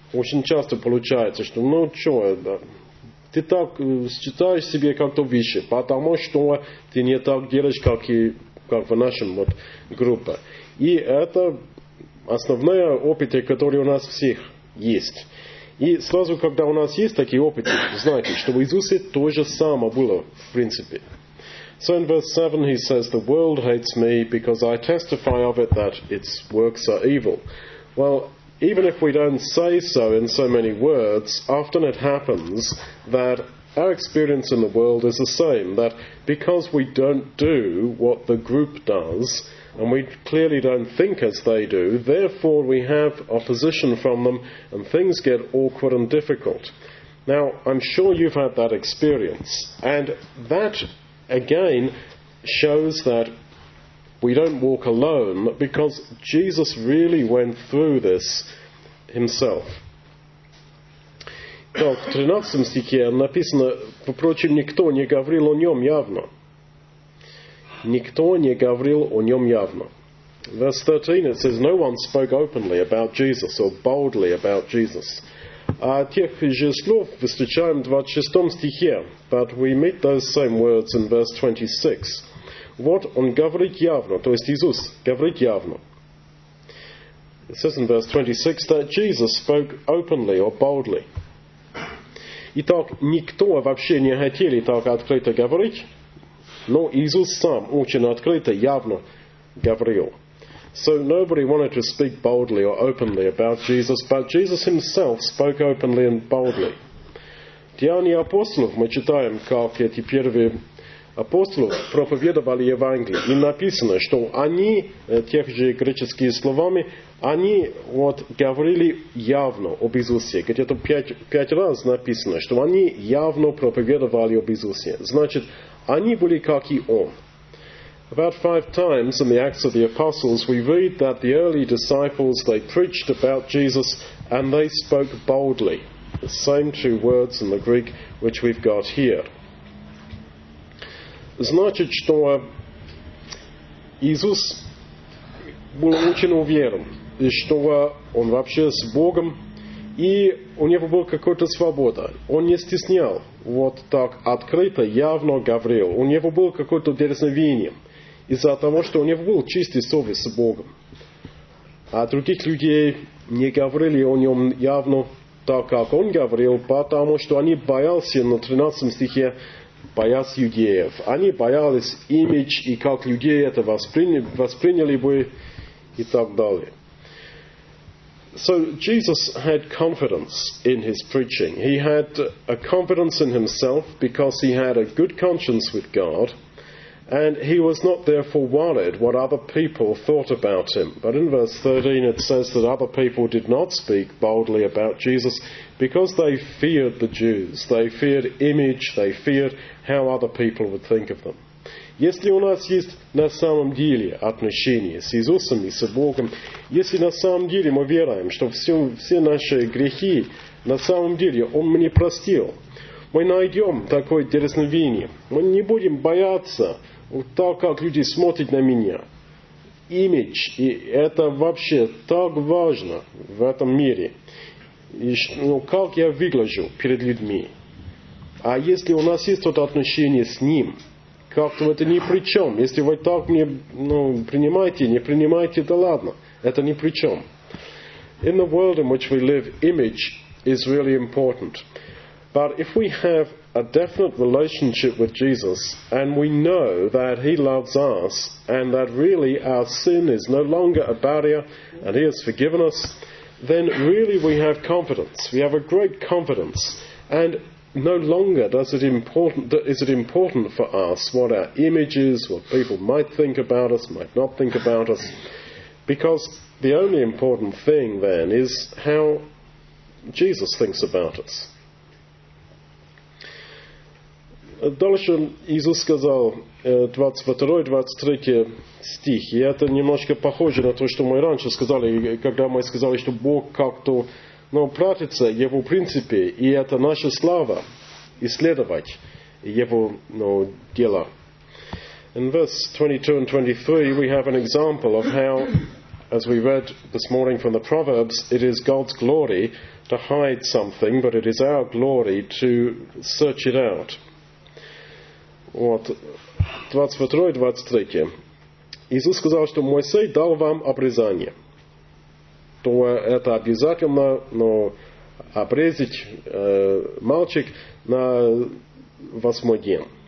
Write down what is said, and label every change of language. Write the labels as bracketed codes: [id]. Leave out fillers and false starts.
[ru] Очень часто получается, что ну что, ты так считаешь себе как-то выше, потому что ты не так делаешь, как и как в нашем вот группе. И это основное опыт, который у нас всех есть. И сразу, когда у нас есть такие опыты, знаете, что в Иисусе то же самое было в принципе. [en] So in verse 7 he says, the world hates me because I testify of it that its works are evil. Well, even if we don't say so in so many words, often it happens that our experience in the world is the same, that because we don't do what the group does, and we clearly don't think as they do, therefore we have opposition from them and things get awkward and difficult. Now, I'm sure you've had that experience, and that again shows that we don't walk alone because Jesus really went through this himself. [ru] Так, в 13 стихе написано, впрочем, никто не говорил о нем явно. Никто не говорил о нем явно. [en] Verse 13, it says, no one spoke openly about Jesus or boldly about Jesus. [ru] А тех же слов встречаем в 26 стихе, [en] but we meet those same words in verse 26. [ru] Вот он говорит явно, то есть Иисус говорит явно. [en] It says in verse 26 that Jesus spoke openly or boldly. [ru] Итак, никто вообще не хотел так открыто говорить, но Иисус сам очень открыто, явно говорил. [en] So nobody wanted to speak boldly or openly about Jesus, but Jesus himself spoke openly and boldly. [ru] Деяния апостолов, мы читаем, как эти первые апостолы проповедовали Евангелие, и написано, что они, тех же греческими словами, они вот говорили явно об Иисусе. Где-то пять раз написано, что они явно проповедовали об Иисусе. Значит, они были как и он. [en] About five times in the Acts of the Apostles, we read that the early disciples, they preached about Jesus and they spoke boldly. The same two words in the Greek which we've got here. [ru] Значит, что Иисус был очень уверен, что он вообще с Богом, и у него была какая-то свобода. Он не стеснял вот так открыто, явно говорил. У него было какое-то дерзновение. Из-за того, что у него был чистый совесть с Богом. А других людей не говорили о нем явно так, как он говорил, потому что они боялись, на 13 стихе, боялись иудеев. Они боялись имидж и как людей это восприняли бы и так далее. [en] So Jesus had confidence in his preaching. He had a confidence in himself because he had a good conscience with God, and he was not therefore worried what other people thought about him. But in verse 13 it says that other people did not speak boldly about Jesus because they feared the Jews. They feared image, they feared how other people would think of them. [ru] Если у нас есть на самом деле отношения с Иисусом и с Богом, если на самом деле мы веруем, что все наши грехи, на самом деле Он мне простил, мы найдем такое дерзновение. Мы не будем бояться так, как люди смотрят на меня. Имидж, и это вообще так важно в этом мире. И, ну, как я выгляжу перед людьми. А если у нас есть вот отношение с Ним, как-то это ни при чем. Если вы так мне, ну, принимаете, не принимаете, да ладно. Это ни при чем. [en] In the world in which we live, image is really important. But if we have a definite relationship with Jesus and we know that he loves us and that really our sin is no longer a barrier and he has forgiven us, then really we have confidence. We have a great confidence. And no longer is it important for us what our image is, what people might think about us, might not think about us. Because the only important thing then is how Jesus thinks about us. [ru] Дальше Иисус сказал 22-23 стих, и это немножко похоже на то, что мы раньше сказали, когда мы сказали, что Бог как-то, ну, пратится Его принципе, и это наша слава исследовать Его, ну, дела. [en] In verse 22 and 23 we have an example of how, as we read this morning from the Proverbs, it is God's glory to hide something, but it is our glory to search it out. [ru] Вот, 22-23. Иисус сказал, что Моисей дал вам обрезание. То это обязательно, но обрезать мальчик на восьмой день.